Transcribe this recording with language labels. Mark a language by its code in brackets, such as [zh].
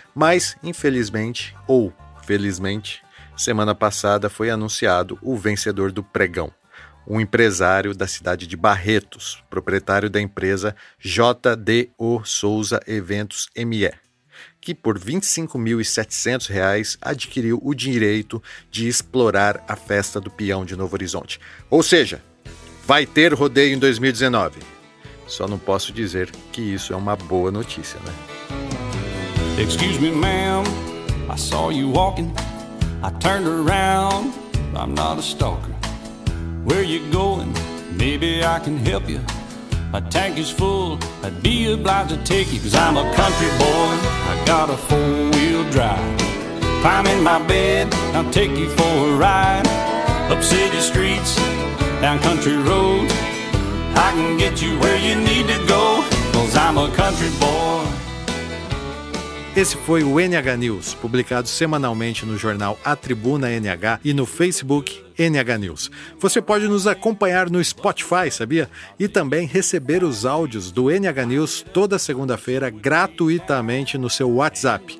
[pt] Mas, infelizmente, ou felizmente, semana passada foi anunciado o vencedor do pregão, um empresário da cidade de Barretos, proprietário da empresa JDO Souza Eventos ME, que por R$ 25.700 adquiriu o direito de explorar a festa do peão de Novo Horizonte. Ou seja, vai ter rodeio em 2019. Só não posso dizer que isso é uma boa notícia, né? [en] Excuse me, ma'am, I saw you walking. I turned around, I'm not a stalker. Where you going? Maybe I can help you. My tank is full, I'd be obliged to take you. Cause I'm a country boy, I got a four-wheel drive. Climb in my bed, I'll take you for a ride. Up city streets, down country roads, I can get you where you need to go. Cause I'm a country boy. [pt] Esse foi o NH News, publicado semanalmente no jornal A Tribuna NH e no Facebook NH News. Você pode nos acompanhar no Spotify, sabia? E também receber os áudios do NH News toda segunda-feira gratuitamente no seu WhatsApp.